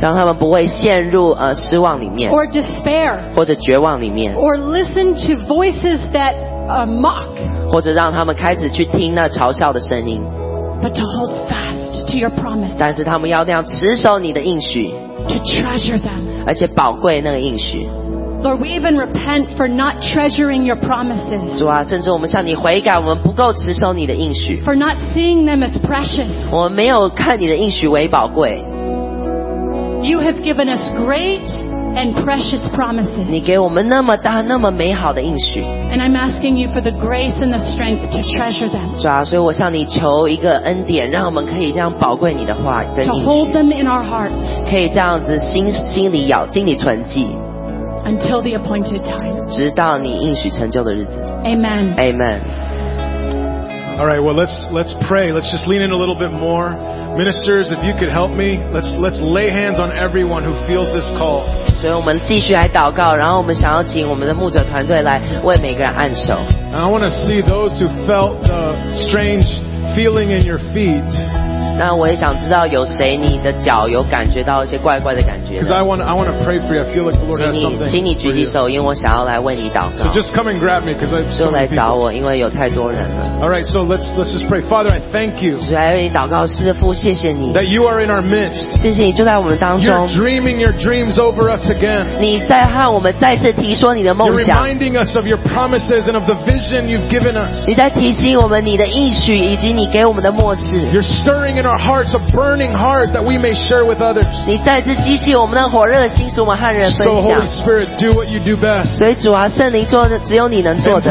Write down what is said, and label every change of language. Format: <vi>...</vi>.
<zh>让他们不会陷入失望里面。</zh> <en>Or despair.</en> <zh>或者绝望里面。</zh> <en>Or listen to voices that. Mock,</en> <zh>或者让他们开始去听那嘲笑的声音。</zh> <en>But to hold fast to your promise.</en> <zh>但是他们要那样持守你的应许。</zh> <en>To treasure them.</en> <zh>而且宝贵那个应许。</zh> <en>Lord, we even repent for not treasuring your promises.</en> <zh>主啊，甚至我们向你悔改，我们不够持守你的应许。</zh> <en>For not seeing them as precious.</en> <zh>我们没有看你的应许为宝贵。</zh> <en>You have given us great. And precious promises.</en> <zh>你给我们那么大那么美好的应许。</zh> <en>And I'm asking you for the grace and the strength to treasure them.</en> <zh>主啊，所以我向你求一个恩典，让我们可以这样宝贵你的话跟应许。</zh> <en>To hold them in our hearts.</en> <zh>可以这样子心里咬，心里存记。</zh> <en>until the appointed time.</en> <zh>直到你应许成就的日子。</zh> <en>Amen.</en> <zh>Amen.</zh> <en>All right, well, let's pray. Let's just lean in a little bit more. Ministers, if you could help me, let's lay hands on everyone who feels this call.</en> <zh>所以我们继续来祷告，然后我们想要请我们的牧者团队来为每个人按手。</zh> <en>And I want to see those who felt the strange feeling in your feet.</en> <zh>那我也想知道有谁你的脚有感觉到一些怪怪的感觉。</zh> <en>Because I want to pray for you. I feel like the Lord has something.</en> <zh>请你举起手，因为我想要来为你祷告。</zh> <en>So just come and grab me, because I've.</en> <zh>就来找我，因为有太多人了。</zh> <en>All right, so let's just pray. Father, I thank you.</en> <zh>主来为你祷告，师父，谢谢你。</zh> <en>That you are in our midst.</en> <zh>谢谢你就在我们当中。</zh> <en>You're dreaming your dreams over us again.</en> <zh>你在和我们再次提说你的梦想。</zh> <en>You're reminding us of your promises and of the vision you've given us.</en> <zh>你在提醒我们你的应许以及你给我们的默示。</zh> <en>You're stirring in our hearts a burning heart that we may share with others.</en> <zh>你再次激起我们那火热的心，使我们和人分享。</zh> <en>So Holy Spirit, do what you do best.</en> <zh>所以主啊，圣灵做的只有你能做的。</zh>